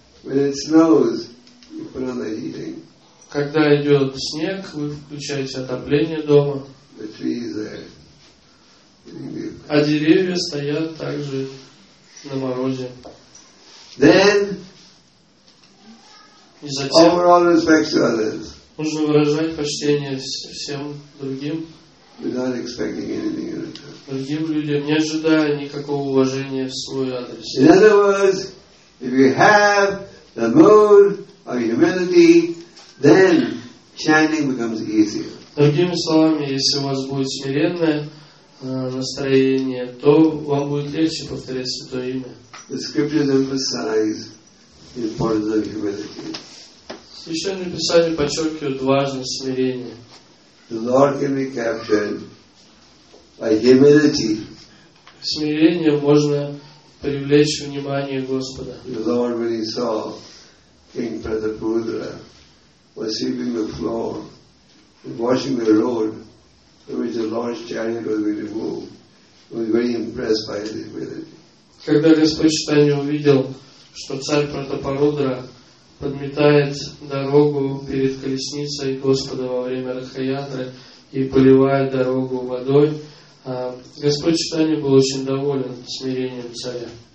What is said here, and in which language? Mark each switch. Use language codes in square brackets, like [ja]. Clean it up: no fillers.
[ru] Когда идет снег, вы включаете отопление дома, а деревья стоят также на морозе. [en] Then, [ru] и затем [en] overall respect to others, [ru] нужно выражать почтение всем другим, [en] without expecting anything in return. [ru] Другим людям, не ожидая никакого уважения в свой адрес. [en] In other words, if you have the mood of humility, then chanting becomes easier. [ru] Другими словами, если у вас будет смиренное настроение, то вам будет легче повторять Святое Имя. [en] The scriptures emphasize the importance of humility. [ru] Священное Писание подчеркивает важность смирения. [en] The Lord can be captured by humility. [ru] Смирение можно привлечь внимание Господа. [en] The Lord, when he saw King Pratapudra was sweeping the floor and washing the road in which the Lord's chariot was going to move, he was very impressed by his humility. [ru] Когда Господь Читания увидел, что царь Пратапарудра подметает дорогу перед колесницей Господа во время Ратхаятры и поливает дорогу водой, Господь Читания был очень доволен смирением царя.